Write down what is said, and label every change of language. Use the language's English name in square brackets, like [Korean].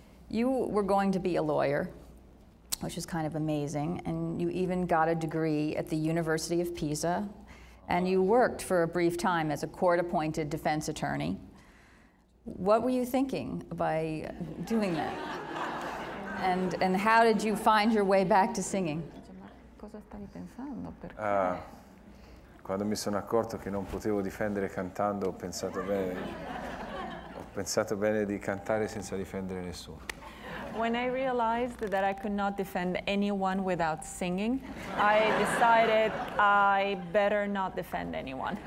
[English] You were going to be a lawyer, which is kind of amazing, and you even got a degree at the University of Pisa, and you worked for a brief time as a court-appointed defense attorney. What were you thinking by doing that? And how did you find your way back to singing? [Italian] Quando mi sono accorto che non potevo difendere cantando, ho pensato bene di cantare senza difendere nessuno. [English] When I realized that I could not defend anyone without singing, I decided I better not defend anyone.